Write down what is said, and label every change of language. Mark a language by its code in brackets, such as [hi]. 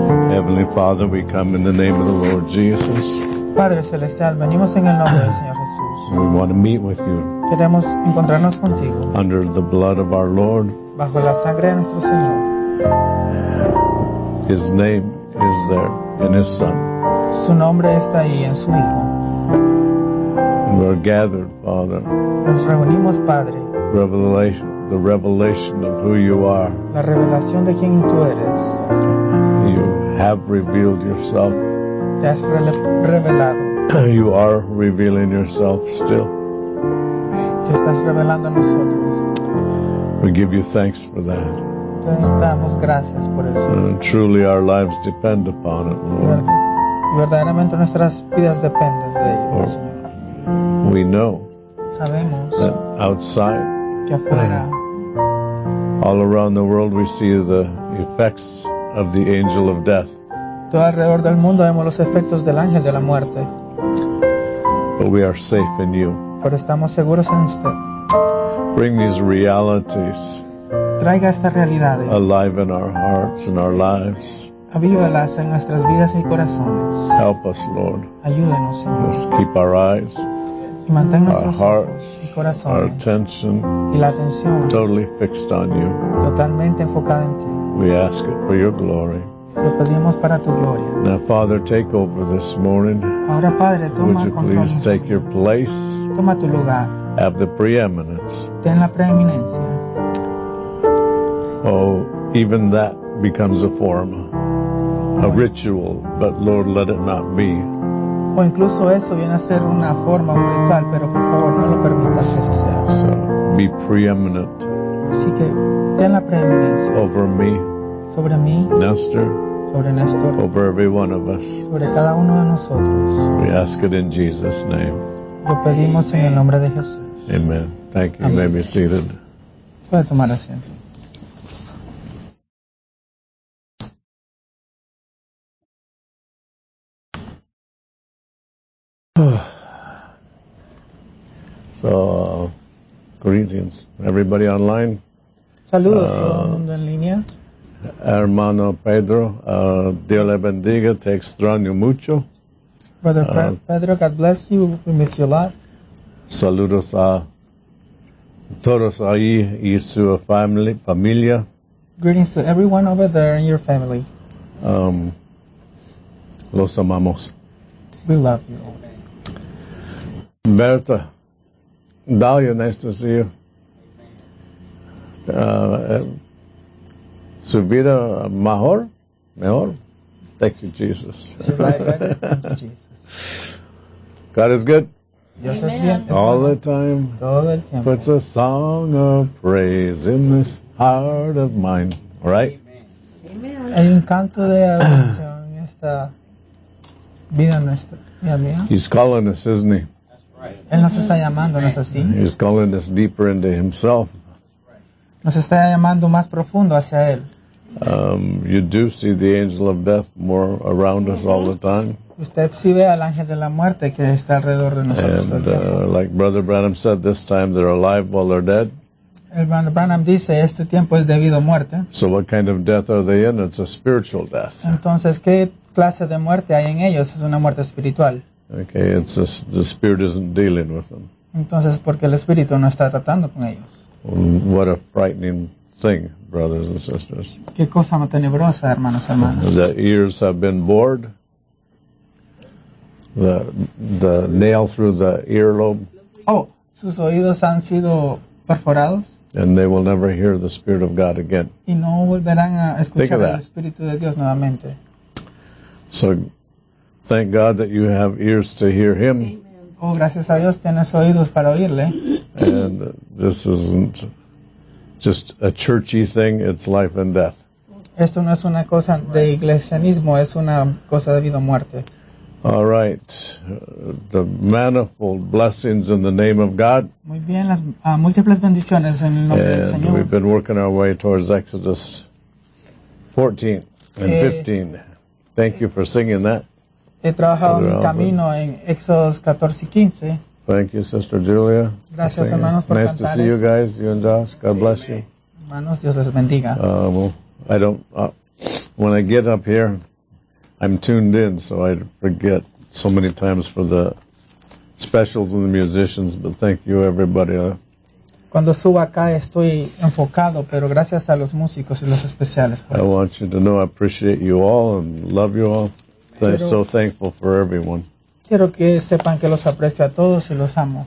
[en] Heavenly Father, we come in the name of the Lord Jesus. [es] Padre celestial, venimos en el nombre del Señor Jesús. [en] We want to meet with you. [es] Queremos encontrarnos contigo. [en] Under the blood of our Lord. [es] Bajo la sangre de nuestro Señor. [en] His name is there in His Son. [es] Su nombre está ahí en su Hijo. [en] We are gathered, Father. [es] Nos reunimos, Padre. [en] Revelation, the revelation of who you are. [es] La revelación de quién tú eres. [en] You have revealed yourself. [es] Te has revelado. [en] You are revealing yourself still. [es] Te estás revelando a nosotros. [en] We give you thanks for that. [es] Te damos gracias por eso. [en] Truly our lives depend upon it, Lord. [es] Verdaderamente nuestras vidas dependen de ellos. Lord, [en] we know. [es] Sabemos. [en] That outside. [es] Que afuera. [en] All around the world we see the effects of the angel of death. [es] Todo alrededor del mundo vemos los efectos del ángel de la muerte. [en] But we are safe in you. [es] Pero estamos seguros en usted. [en] Bring these realities. [es] Traiga estas realidades. [en] Alive in our hearts and our lives. [es] Avívalas en nuestras vidas y corazones. [en] Help us, Lord. [es] Ayúdanos, Señor. [en] Just keep our eyes. [es] Y mantén nuestros [en] our hearts, [es] ojos y corazones. [en] Our attention. [es] Y la atención. [en] Totally fixed on you. [es] Totalmente enfocada en ti. [en] We ask it for your glory. [es] Lo pedimos para tu gloria. [en] Now, Father, take over this morning. [es] Ahora, Padre, toma [en] Would you [es] control [en] please take momento. Your place? [es] Toma tu lugar. [en] Have the preeminence. [es] Ten la preeminencia. [en] Oh, even that becomes a form, a ritual, but Lord, let it not be. [es] O incluso eso viene a ser una forma, un ritual, pero por favor, no lo permitas que eso sea. [en] So, be preeminent. [es] Así que, ten la preeminencia. [en] Over me. [es] Sobre mí. [en] Nestor. [es] Sobre Nestor. [en] Over every one of us. [es] Sobre cada uno de nosotros. [en] We ask it in Jesus' name. [es] Lo pedimos en el nombre de Jesús. [en] Amen. Thank you. Amen. You may be seated. [es] Puede tomar asiento. [en] So, greetings, everybody online. [es] Saludos, todo el mundo en línea. Hermano Pedro, Dios le bendiga, te extraño mucho. [en] Brother Pedro, God bless you, we miss you a lot. [es] Saludos a todos ahí y su familia. [en] Greetings to everyone over there and your family. [es] Los amamos. [en] We love you. Berta, Dahlia, nice to see you. [es] Su vida mejor? Mejor? [en] Thank you, Jesus. God is good. Amen. All the time. [es] Todo el tiempo. [en] Puts a song of praise in this heart of mine. All right? [es] Hay un canto de adoración en esta vida nuestra. [en] He's calling us, isn't he? [es] Él nos está llamando, ¿no es así? [en] He's calling us deeper into himself. [es] Nos está llamando más profundo hacia él. [en] You do see the angel of death more around us all the time. [es] Usted sí ve al ángel de la muerte que está alrededor de nosotros. [en] And like Brother Branham said, this time they're alive while they're dead. [es] El Brother Branham dice, este tiempo es debido a muerte. [en] So what kind of death are they in? It's a spiritual death. [es] Entonces, ¿qué clase de muerte hay en ellos? Es una muerte espiritual. [en] Okay, it's just, the spirit isn't dealing with them. [es] Entonces, porque el espíritu no está tratando con ellos. [en] What a frightening thing, brothers and sisters. [es] Qué cosa más tenebrosa, hermanos, hermanas. [en] The ears have been bored. The nail through the earlobe. [es] Oh, sus oídos han sido perforados. [en] And they will never hear the spirit of God again. [es] Y no volverán a escuchar el espíritu de Dios nuevamente. [en] So. Thank God that you have ears to hear him. [es] Oh, gracias a Dios, tienes oídos para oírle. [en] And this isn't just a churchy thing. It's life and death. [es] Esto no es una cosa de iglesianismo, es una cosa de vida o muerte. [en] All right. The manifold blessings in the name of God. [es] Muy bien, las múltiples bendiciones en el nombre del Señor. [en] And we've been working our way towards Exodus 14 and 15. Thank you for singing that. [es] He trabajado mi camino en Exodus 14 y 15. [en] Thank you, Sister Julia. [es] Gracias, hermanos, por [en] nice [es] cantar. [en] To see you guys, you and Josh. God bless you. [es] Hermanos, Dios les bendiga. [en] When I get up here, I'm tuned in, so I forget so many times for the specials and the musicians, but thank you, everybody. [es] Cuando subo acá, estoy enfocado, pero gracias a los músicos y los especiales. [en] I want you to know I appreciate you all and love you all. I'm so thankful for everyone. [es] Quiero que sepan que los aprecio a todos y los amo.